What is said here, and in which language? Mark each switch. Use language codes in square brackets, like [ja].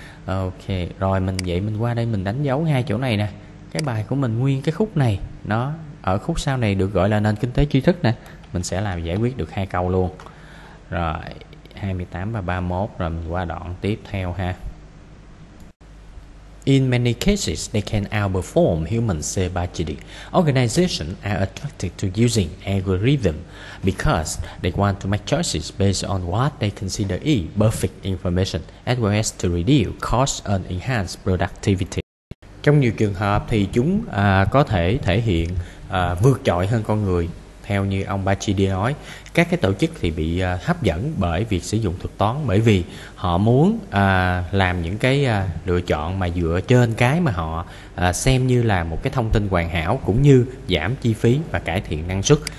[vi] Ok, rồi mình vậy mình qua đây mình đánh dấu ngay chỗ này nè. Cái bài của mình nguyên cái khúc này, nó ở khúc sau này được gọi là nền kinh tế tri thức nè. Mình sẽ làm giải quyết được hai câu luôn. Rồi, 28 và 31 rồi mình qua đoạn tiếp theo ha. [en] In many cases, they can outperform human sebaceti. Organizations are attracted to using algorithm because they want to make choices based on what they consider is perfect information, as well as to reduce cost and enhance productivity. [vi] Trong nhiều trường hợp thì chúng có thể thể hiện vượt trội hơn con người. Theo như ông Bacidi nói, các cái tổ chức thì bị hấp dẫn bởi việc sử dụng thuật toán, bởi vì họ muốn làm những cái lựa chọn mà dựa trên cái mà họ xem như là một cái thông tin hoàn hảo, cũng như giảm chi phí và cải thiện năng suất.